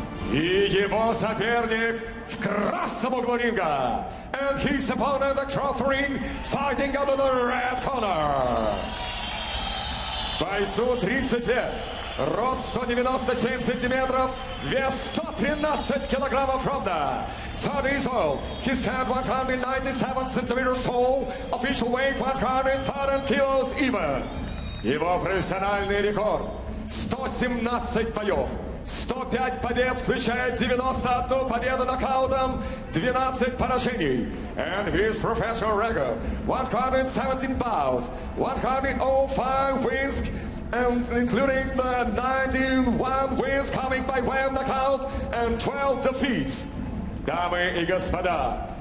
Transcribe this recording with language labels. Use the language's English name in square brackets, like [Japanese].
[Russian] И его соперник в красном углу ринга. [English] And his opponent across the ring, fighting under the red corner. [Russian] Бойцу 30 лет. Рост 197 сантиметров. Вес 113 килограммов ровно. [English] 30 years old. He stands 197 centimeters tall. Official weight 130 kilos even. [Russian] Его профессиональный рекорд. 117 боев. 105 побед, включая 91 победу нокаутом, 12 поражений. [English] And his professional record, 117 bouts, 105 wins, and including the 91 wins coming by way of knockout, and 12 defeats. [Russian] Дамы и господа,